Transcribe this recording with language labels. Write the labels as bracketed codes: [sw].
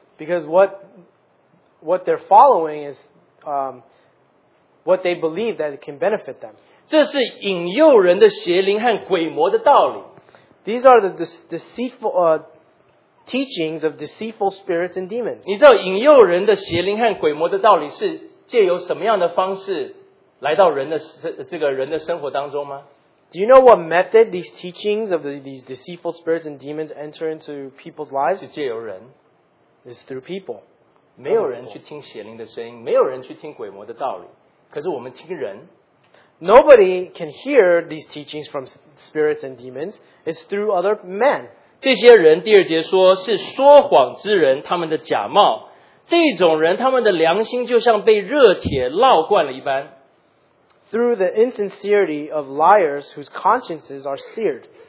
[en] Because what they're following is what they believe that it can benefit them. [zh] 这是引诱人的邪灵和鬼魔的道理。 [en] These are the deceitful teachings of deceitful spirits and demons. [zh] 你知道引诱人的邪灵和鬼魔的道理是借由什么样的方式来到人的这个人的生活当中吗? [en] Do you know what method these teachings of these deceitful spirits and demons enter into people's lives? It's through people. [zh] 没有人去听邪灵的声音，没有人去听鬼魔的道理，可是我们听人。 [en] Nobody can hear these teachings from spirits and demons. It's through other men. [zh] 这些人第二节说是说谎之人，他们的假冒。这种人，他们的良心就像被热铁烙惯了一般。 [en] Through the insincerity of liars whose consciences are seared.